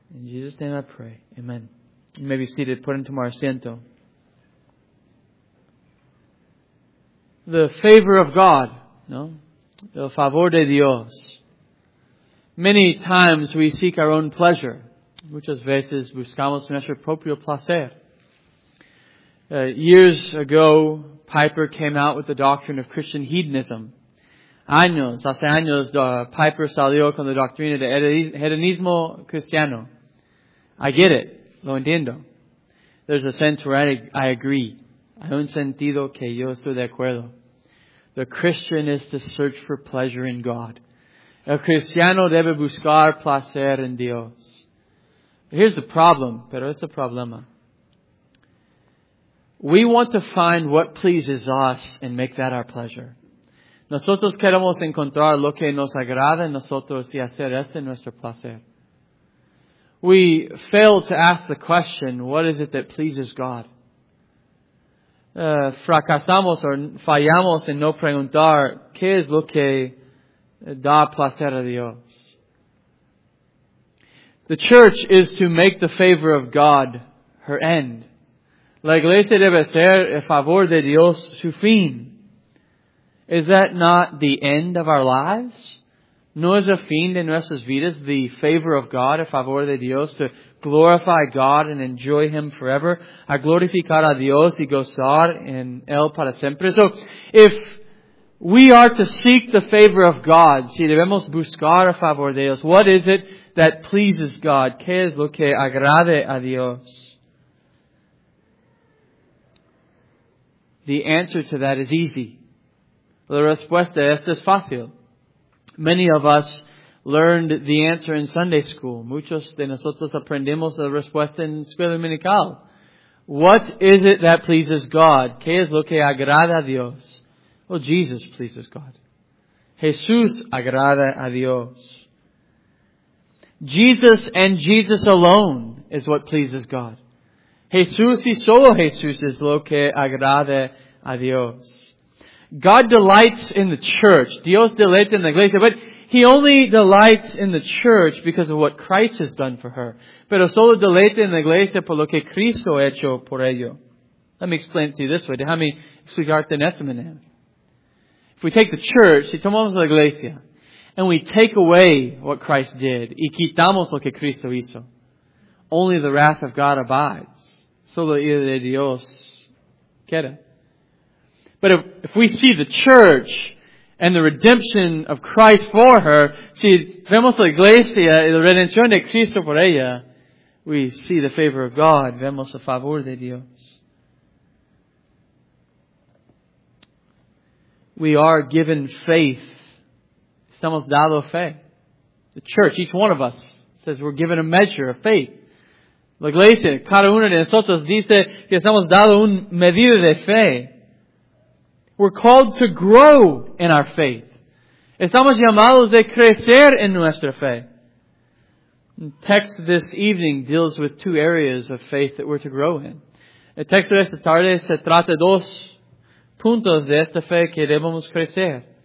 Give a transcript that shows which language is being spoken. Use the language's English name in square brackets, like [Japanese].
[English] In Jesus' name I pray. Amen. You may be seated. Put into my asiento. The favor of God, [Spanish] no? El favor de Dios. [English] Many times we seek our own pleasure. [Spanish] Muchas veces buscamos nuestro propio placer. [English] Years ago, Piper came out with the doctrine of Christian hedonism. [Spanish] Hace años, Piper salió con la doctrina de hedonismo cristiano. [English] I get it. [Spanish] Lo entiendo. [English] There's a sense where I agree. [Spanish] Hay un sentido que yo estoy de acuerdo. [English] The Christian is to search for pleasure in God. [Spanish] El cristiano debe buscar placer en Dios. [English] Here's the problem, [Spanish] pero es el problema. [English] We want to find what pleases us and make that our pleasure. [Spanish] Nosotros queremos encontrar lo que nos agrada en nosotros y hacer este nuestro placer. [English] We fail to ask the question, what is it that pleases God? [Spanish] Fracasamos o fallamos en no preguntar, ¿qué es lo que da placer a Dios? [English] The church is to make the favor of God her end. [Spanish] La iglesia debe ser el favor de Dios su fin. [English] Is that not the end of our lives? [Spanish] No es el fin de nuestras vidas, [English] the favor of God, [Spanish] el favor de Dios, [English] to glorify God and enjoy Him forever, [Spanish] a glorificar a Dios y gozar en Él para siempre. [English] So, if we are to seek the favor of God, [Spanish] si debemos buscar el favor de Dios, [English] what is it that pleases God? [Spanish] ¿Qué es lo que agrade a Dios? [English] The answer to that is easy. [Spanish] La respuesta a esto es fácil. [English] Many of us learned the answer in Sunday school. [Spanish] Muchos de nosotros aprendimos la respuesta en escuela dominical. [English] What is it that pleases God? [Spanish] ¿Qué es lo que agrada a Dios? [English] Well, Jesus pleases God. [Spanish] Jesús agrada a Dios. [English] Jesus and Jesus alone is what pleases God. [Spanish] Jesús y solo Jesús es lo que agrada a Dios. [English] God delights in the church. [Spanish] Dios deleita en la iglesia. [English] But He only delights in the church because of what Christ has done for her. [Spanish] Pero solo deleita en la iglesia por lo que Cristo ha hecho por ello. [English] Let me explain it to you this way. [Spanish] Déjame explicarte en esta manera. [English] If we take the church, [Spanish] si tomamos la iglesia, [English] and we take away what Christ did, [Spanish] y quitamos lo que Cristo hizo, [English] only the wrath of God abides. [Spanish] Solo ira de Dios [English] get it? But if we see the church and the redemption of Christ for her, [Spanish] si vemos la iglesia y la redención de Cristo por ella, [English] we see the favor of God, [Spanish] vemos el favor de Dios. [English] We are given faith. [Spanish] Estamos dado fe. [English] The church, each one of us, says we're given a measure of faith. [Spanish] La iglesia, cada uno de nosotros dice que estamos dado un medida de fe. [English] We're called to grow in our faith. [Spanish] Estamos llamados de crecer en nuestra fe. [English] The text this evening deals with two areas of faith that we're to grow in. [Spanish] El texto de esta tarde se trata de dos puntos de esta fe que debemos crecer.